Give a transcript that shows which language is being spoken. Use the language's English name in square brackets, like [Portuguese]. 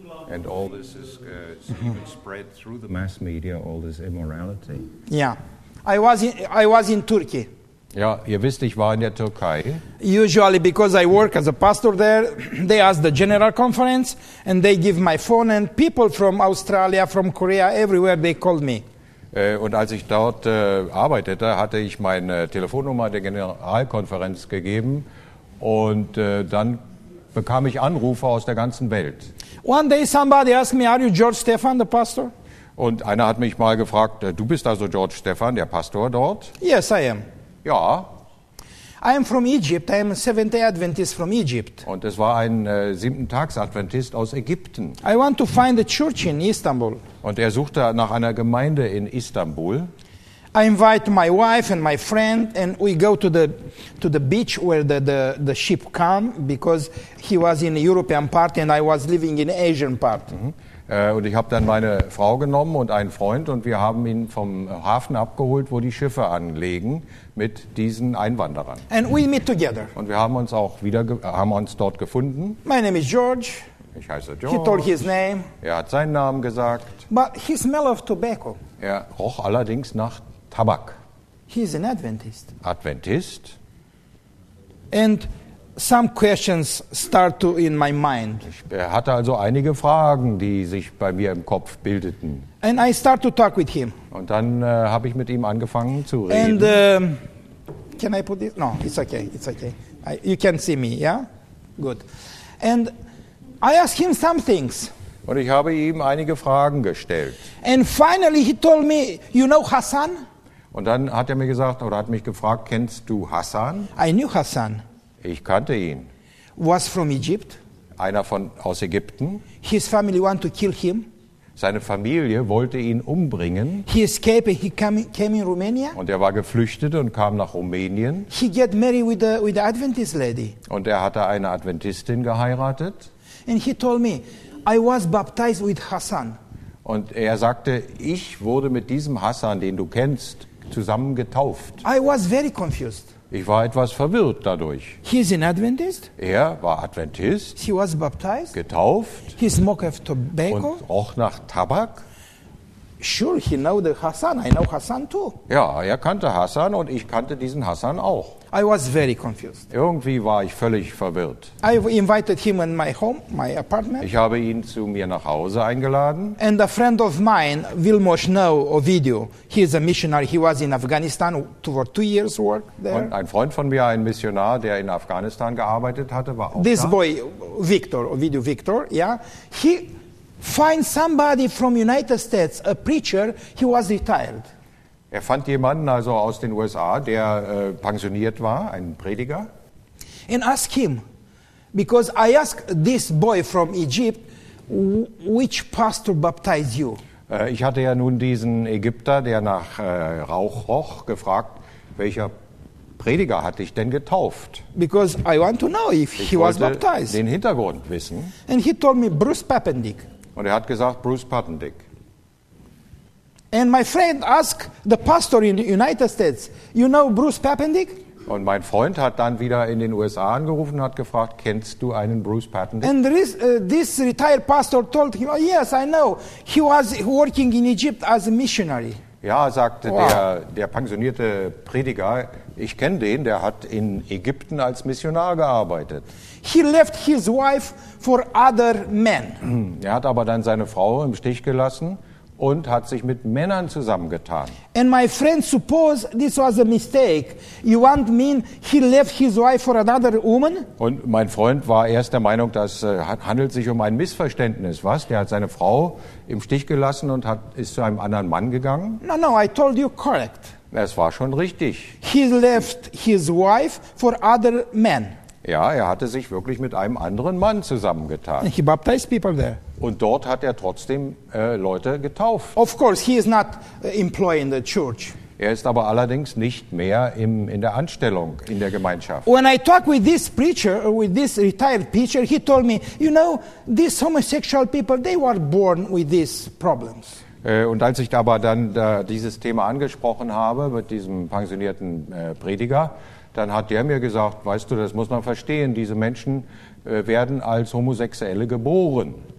[English] And all this is spread through the mass media, all this immorality. Yeah. I was in Turkey. [German] Ja, ihr wisst, ich war in der Türkei. [English] Usually because I work as a pastor there, they ask the general conference and they give my phone and people from Australia, from Korea, everywhere they called me. [German] Und als ich dort arbeitete, hatte ich meine Telefonnummer der Generalkonferenz gegeben und dann bekam ich Anrufe aus der ganzen Welt. [English] One day somebody asked me, are you George Stephan, the pastor? [German] Und einer hat mich mal gefragt, du bist also George Stephan, der Pastor dort? [English] Yes, I am. [German] Ja. [English] I am from Egypt, I am a Seventh-day Adventist from Egypt. [German] Und es war ein Siebenten-Tags-Adventist aus Ägypten. [English] I want to find a church in Istanbul. [German] Und er suchte nach einer Gemeinde in Istanbul. [English] I invite my wife and my friend and we go to the beach where the ship come because he was in the European part and I was living in the Asian part. Mhm. [German] Und ich habe dann meine Frau genommen und einen Freund und wir haben ihn vom Hafen abgeholt, wo die Schiffe anlegen mit diesen Einwanderern. [English] And we meet together. [German] Und wir haben uns auch wieder haben uns dort gefunden. [English] My name is George. [German] Ich heiße George. [English] He told his name. [German] Er hat seinen Namen gesagt. [English] But he smell of tobacco. [German] Er roch allerdings nach Tabak. [English] He is an Adventist. [German] Adventist. [English] And some questions start to in my mind. [German] Er hatte also einige Fragen, die sich bei mir im Kopf bildeten. [English] And I start to talk with him. [German] Und dann habe ich mit ihm angefangen zu reden. [English] And can I put this? No, it's okay. It's okay. You can see me, yeah? Good. And I asked him some things. [German] Und ich habe ihm einige Fragen gestellt. [English] And finally he told me, you know Hassan? [German] Und dann hat er mir gesagt oder hat mich gefragt, kennst du Hassan? [English] I knew Hassan. [German] Ich kannte ihn. [English] Was from Egypt? [German] Einer von aus Ägypten. [English] His family want to kill him. [German] Seine Familie wollte ihn umbringen. [English] He escaped. He came in Romania. [German] Und er war geflüchtet und kam nach Rumänien. [English] He get married with the Adventist lady. [German] Und er hatte eine Adventistin geheiratet. [English] And he told me, I was baptized with Hassan. [German] Und er sagte, ich wurde mit diesem Hassan, den du kennst, zusammen getauft. [English] I was very confused. [German] Ich war etwas verwirrt dadurch. [English] He is an Adventist. [German] Er war Adventist. [English] He was baptized. [German] Getauft. [English] He smoked tobacco. [German] Und auch nach Tabak. [English] Sure, he know the Hassan. I know Hassan too. [German] Ja, er kannte Hassan und ich kannte diesen Hassan auch. [English] I was very confused. [German] Irgendwie war ich völlig verwirrt. [English] I invited him in my home, my apartment. [German] Ich habe ihn zu mir nach Hause eingeladen. [English] And a friend of mine, Wilmo Schnau, Ovidio, he is a missionary. He was in Afghanistan for 2 years work there. [German] Und ein Freund von mir, ein Missionar, der in Afghanistan gearbeitet hatte, war auch [English] this [German] da. [English] This boy, Victor, Ovidio Victor, yeah, he find somebody from United States, a preacher, he was retired. [German] Er fand jemanden also aus den USA, der pensioniert war, einen Prediger. [English] And ask him, because I ask this boy from Egypt, which pastor baptized you? [German] Ich hatte ja nun diesen Ägypter, der nach Rauch roch, gefragt, welcher Prediger hat dich denn getauft? [English] Because I want to know if [German] ich [English] he was baptized. [German] Den Hintergrund wissen. [English] And he told me Bruce Papendick. [German] Und er hat gesagt Bruce Papendick. [English] And my friend asked the pastor in the United States, you know Bruce Papendick? [German] Und mein Freund hat dann wieder in den USA angerufen und hat gefragt, kennst du einen Bruce Patton? [English] And this retired pastor told him, oh, yes, I know. He was working in Egypt as a missionary. [German] Ja, sagte wow. der pensionierte Prediger, ich kenne den, der hat in Ägypten als Missionar gearbeitet. [English] He left his wife for other men. [German] Er hat aber dann seine Frau im Stich gelassen und hat sich mit Männern zusammengetan. [English] And my friend supposed this was a mistake. You want mean he left his wife for another woman? [German] Und mein Freund war erst der Meinung, das handelt sich um ein Missverständnis. Was? Der hat seine Frau im Stich gelassen und ist zu einem anderen Mann gegangen? [English] No, I told you correct. [German] Es war schon richtig. [English] He left his wife for other men. [German] Ja, er hatte sich wirklich mit einem anderen Mann zusammengetan. [English] He baptized people there. [German] Und dort hat er trotzdem Leute getauft. [English] Of course, he is not employing the church. [German] Er ist aber allerdings nicht mehr in der Anstellung in der Gemeinschaft. [English] When I talk with this preacher or with this retired preacher, he told me, you know, these homosexual people, they were born with these problems. [German] Und als ich aber dann dieses Thema angesprochen habe mit diesem pensionierten Prediger, dann hat der mir gesagt, weißt du, das muss man verstehen, diese Menschen werden als Homosexuelle geboren.